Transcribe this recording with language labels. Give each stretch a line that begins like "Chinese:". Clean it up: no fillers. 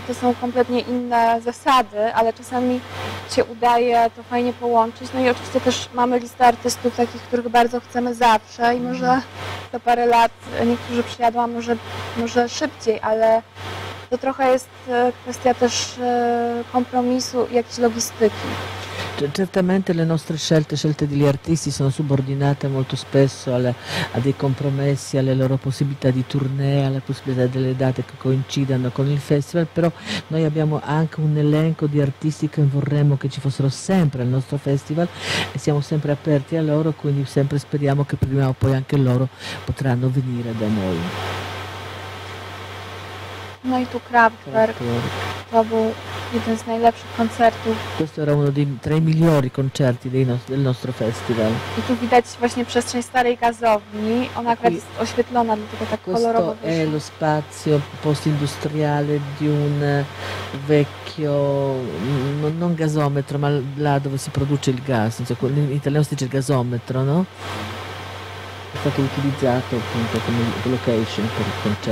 Polish: To są kompletnie inne zasady, ale czasami się udaje to fajnie połączyć. No i oczywiście też mamy listę artystów takich, których bardzo chcemy zawsze i może to parę lat niektórzy przyjadą, może szybciej, ale to trochę jest kwestia też kompromisu i jakiejś logistyki.
Italian: Certamente le nostre scelte, scelte degli artisti, sono subordinate molto spesso a dei compromessi, alle loro possibilità di tournée, alle possibilità delle date che coincidano con il festival, però noi abbiamo anche un elenco di artisti che vorremmo che ci fossero sempre al nostro festival e siamo sempre aperti a loro, quindi sempre speriamo che prima o poi anche loro potranno venire da noi.
Polish: No i tu Kraftwerk. To był jeden z najlepszych koncertów.
Italian: Questo era uno dei tre migliori concerti del nostro festival.
Polish: I tu widać właśnie przestrzeń starej gazowni. Ona akurat jest oświetlona, dlatego tak kolorowo wyszła.
Italian: Questo è lo spazio postindustriale di un vecchio, non gasometro, ma là dove si produce il gas. In italiano si dice il gasometro, no? È stato utilizzato appunto come location per il concerto.